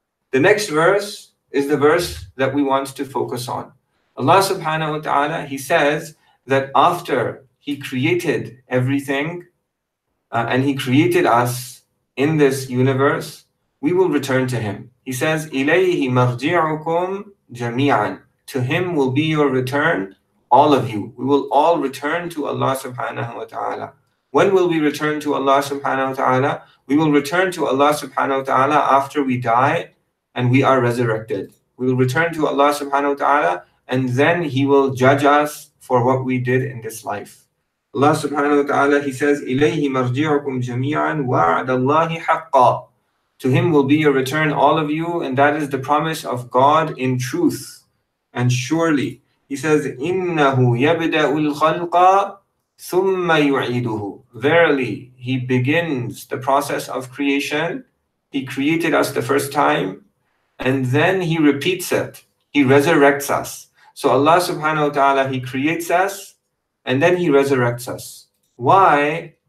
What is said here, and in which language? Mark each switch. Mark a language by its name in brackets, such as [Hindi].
[English] The next verse is the verse that we want to focus on. Allah subhanahu wa ta'ala, he says that after he created everything and he created us in this universe, we will return to him. He says, [Arabic] إِلَيْهِ مَرْجِعُكُمْ جَمِيعًا. [English] To him will be your return, all of you. We will all return to Allah subhanahu wa ta'ala. When will we return to Allah subhanahu wa ta'ala? We will return to Allah subhanahu wa ta'ala after we die and we are resurrected. We will return to Allah subhanahu wa ta'ala and then he will judge us for what we did in this life. [Arabic] Allah subhanahu wa ta'ala, [English] he says, [Arabic] إِلَيْهِ مَرْجِعُكُمْ جَمِيعًا وَعَدَ اللَّهِ حَقًّا. [English] To him will be your return, all of you, and that is the promise of God in truth. And surely, he says, [Arabic] إِنَّهُ يَبْدَأُ الْخَلْقَ ثُمَّ يُعِيدُهُ. [English] Verily, he begins the process of creation. He created us the first time, and then he repeats it. He resurrects us. So Allah subhanahu wa ta'ala, he creates us, and then he resurrects us. Why?